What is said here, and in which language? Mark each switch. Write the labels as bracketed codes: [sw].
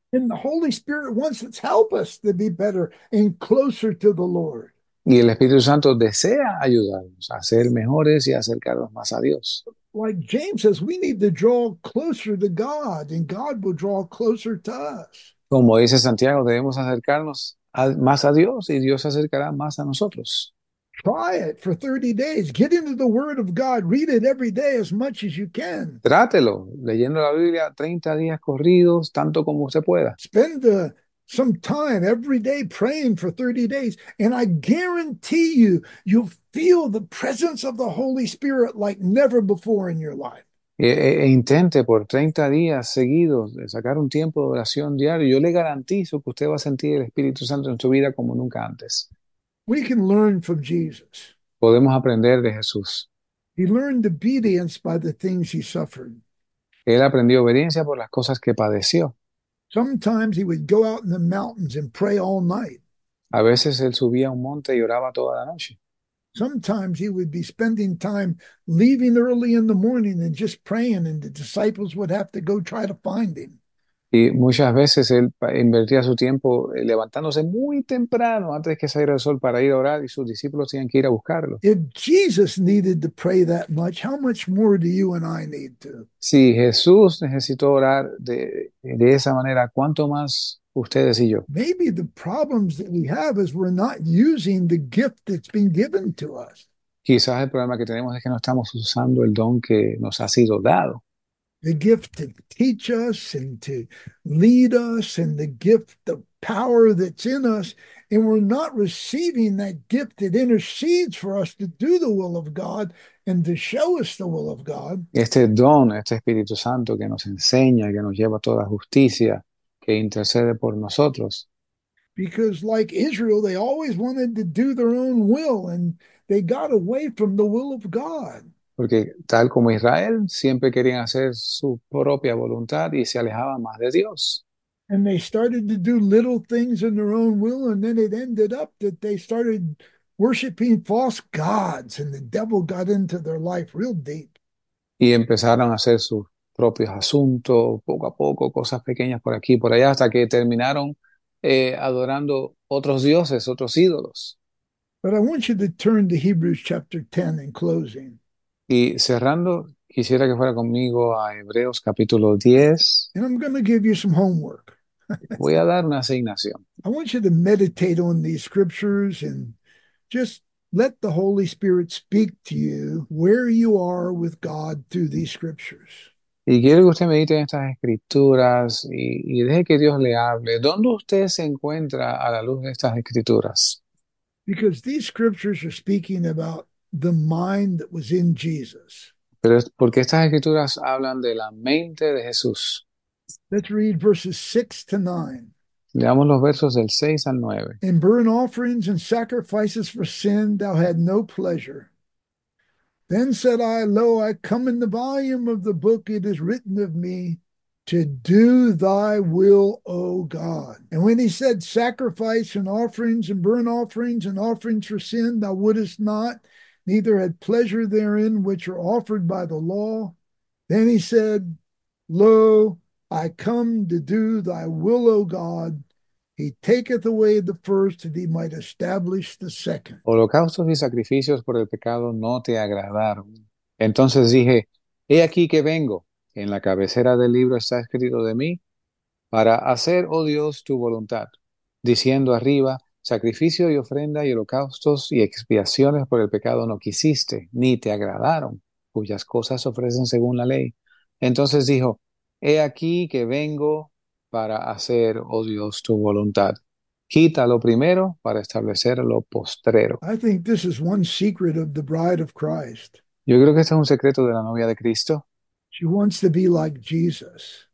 [en] And the Holy Spirit wants to help us to be better and closer to the Lord. [es] Y el Espíritu Santo desea ayudarnos a ser mejores y acercarnos más a Dios. [en] Like James says, we need to draw closer to God, and God will draw closer to us. [es] Como dice Santiago, debemos acercarnos más a Dios y Dios se acercará más a nosotros. [en] Try it for 30 days. Get into the Word of God. Read it every day as much as you can. [es] Trátelo, leyendo la Biblia 30 días corridos, tanto como usted pueda. [en] Spend some time every day praying for 30 days, and I guarantee you'll feel the presence of the Holy Spirit like never before in your life. [es] E intente por 30 días seguidos de sacar un tiempo de oración diario. Yo le garantizo que usted va a sentir el Espíritu Santo en su vida como nunca antes. [en] We can learn from Jesus. [es] Podemos aprender de Jesús. [en] He learned obedience by the things he suffered. [es] Él aprendió obediencia por las cosas que padeció. [en] Sometimes he would go out in the mountains and pray all night. [es] A veces él subía a un monte y oraba toda la noche. [en] Sometimes he would be spending time leaving early in the morning and just praying, and the disciples would have to go try to find him. [es] Y muchas veces él invertía su tiempo levantándose muy temprano antes que saliera el sol para ir a orar y sus discípulos tenían que ir a buscarlo. [en] If Jesus needed to pray that much, how much more do you and I need to? [es] Si Jesús necesitó orar de esa manera, ¿cuánto más ustedes y yo? [en] Maybe the problems that we have is we're not using the gift that's been given to us. [es] Quizás el problema que tenemos es que no estamos usando el don que nos ha sido dado. [en] The gift to teach us and to lead us and the gift of power that's in us, and we're not receiving that gift that intercedes for us to do the will of God and to show us the will of God. [es] Este don, este Espíritu Santo que nos enseña, que nos lleva a toda justicia, que intercede por nosotros. [en] Because like Israel, they always wanted to do their own will and they got away from the will of God. [es] Porque tal como Israel, siempre querían hacer su propia voluntad y se alejaban más de Dios. [en] And they started to do little things in their own will, and then it ended up that they started worshiping false gods, and the devil got into their life real deep. [es] Y empezaron a hacer sus propios asuntos, poco a poco, cosas pequeñas por aquí y por allá, hasta que terminaron adorando otros dioses, otros ídolos. [en] But I want you to turn to Hebrews chapter 10 in closing. [es] Y cerrando, quisiera que fuera conmigo a Hebreos capítulo 10. [en] And I'm going to give you some homework. [es] Voy a dar una asignación. [en] I want you to meditate on these scriptures and just let the Holy Spirit speak to you where you are with God through these scriptures. [es] Y quiero que usted medite en estas escrituras y deje que Dios le hable. ¿Dónde usted se encuentra a la luz de estas escrituras? [en] Because these scriptures are speaking about the mind that was in Jesus. [es] Pero es porque estas escrituras hablan de la mente de Jesús. [en] Let's read verses 6 to 9. [es] Leamos los versos del 6 al 9. [en] In burnt offerings and sacrifices for sin, thou had no pleasure. Then said I, lo, I come in the volume of the book, it is written of me, to do thy will, O God. And when he said, sacrifice and offerings and burnt offerings and offerings for sin, thou wouldest not, neither had pleasure therein, which are offered by the law. Then he said, lo, I come to do thy will, O God. He taketh away the first that he might establish the second. [es] Holocaustos y sacrificios por el pecado no te agradaron. Entonces dije, he aquí que vengo. En la cabecera del libro está escrito de mí, para hacer, oh Dios, tu voluntad. Diciendo arriba, sacrificio y ofrenda y holocaustos y expiaciones por el pecado no quisiste, ni te agradaron, cuyas cosas ofrecen según la ley. Entonces dijo, he aquí que vengo para hacer, oh Dios, tu voluntad. Quita lo primero para establecer lo postrero. [en] I think this is one secret of the bride of Christ. [es] Yo creo que este es un secreto de la novia de Cristo. [en] She wants to be like Jesus.